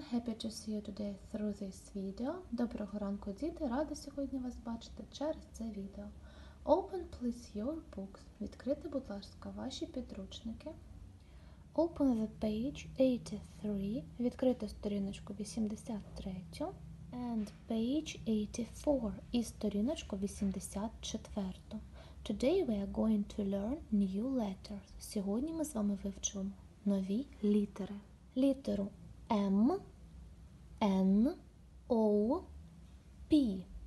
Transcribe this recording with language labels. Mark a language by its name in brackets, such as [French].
[English] Happy to see you today through this video. [Ukrainian] Доброго ранку, діти. Рада сьогодні вас бачити через це відео. [English] Open, please, your books. [Ukrainian] Відкрити, будь ласка, ваші підручники. [English] Open the page 83. [Ukrainian] Відкрити сторіночку 83. [English] And page 84. [Ukrainian] І сторіночку 84. [English] Today we are going to learn new letters. [Ukrainian] Сьогодні ми з вами вивчимо нові літери. Літеру M, N, O, P.